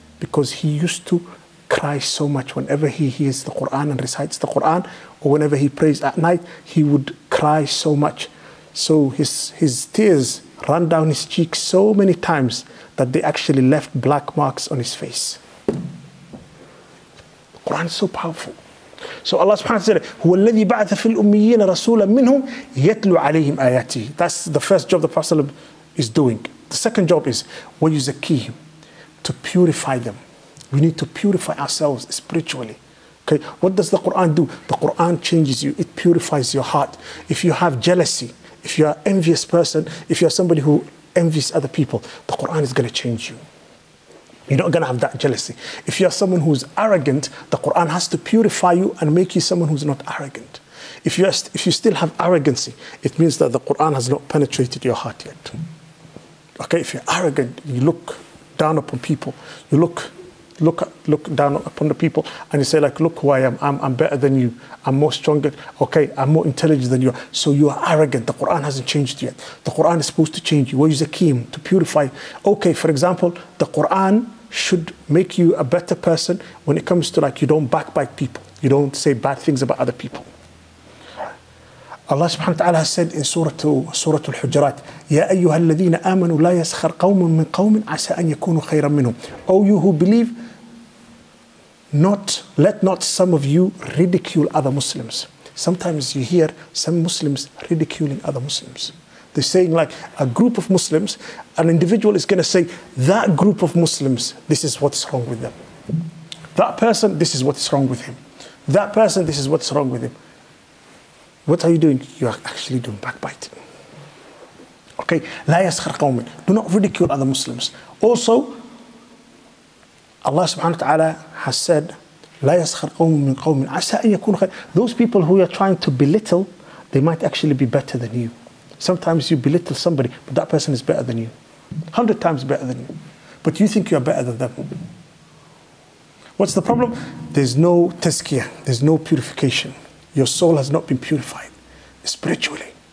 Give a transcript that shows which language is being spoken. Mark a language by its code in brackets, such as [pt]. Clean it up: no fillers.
[en] Because he used to cry so much whenever he hears the Quran and recites the Quran, or whenever he prays at night, he would cry so much. So his tears ran down his cheeks so many times that they actually left black marks on his face. The Quran is so powerful. So Allah subhanahu wa ta'ala said, [ar] هو الذي بعث في الأميين رسولا منهم يتلو عليهم آياته. [en] That's the first job the Prophet is doing. The second job is ويزكيهم, to purify them. We need to purify ourselves spiritually. Okay, what does the Quran do? The Quran changes you. It purifies your heart. If you have jealousy, if you are an envious person, if you are somebody who envies other people, the Quran is going to change you. You're not going to have that jealousy. If you are someone who is arrogant, the Quran has to purify you and make you someone who is not arrogant. If you still have arrogancy, it means that the Quran has not penetrated your heart yet. Okay, if you're arrogant, you look down upon people, you look down upon the people and you say like, look who I am, I'm better than you, I'm more stronger, okay, I'm more intelligent than you. So you are arrogant. The Quran hasn't changed yet. The Quran is supposed to change you. وَيُزَكِيمُ, to purify. Okay, for example, the Quran should make you a better person when it comes to like, you don't backbite people, you don't say bad things about other people. Allah subhanahu wa ta'ala has said in Surah Al-Hujurat, [ar] يَا أَيُّهَا الَّذِينَ آمَنُوا لَا يَسْخَرْ قَوْمٌ مِّن قَوْمٍ عَسَىٰ أَن يَكُونُوا خَيْرًا مِّنْهُمْ. [en] O you who believe, let not some of you ridicule other Muslims. Sometimes you hear some Muslims ridiculing other Muslims. They're saying like a group of Muslims, an individual is going to say, that group of Muslims, this is what's wrong with them. That person, this is what's wrong with him. That person, this is what's wrong with him. What are you doing? You are actually doing backbiting. [ar] Okay, لا يسخر قوم. [en] Do not ridicule other Muslims. Also, Allah subhanahu wa ta'ala has said, [ar] لا يسخر قوم من قوم عسى أن يكون خير. [en] Those people who you're trying to belittle, they might actually be better than you. Sometimes you belittle somebody, but that person is better than you. 100 times better than you. But you think you are better than them. What's the problem? There's no tazkiyah, there's no purification. Your soul has not been purified spiritually.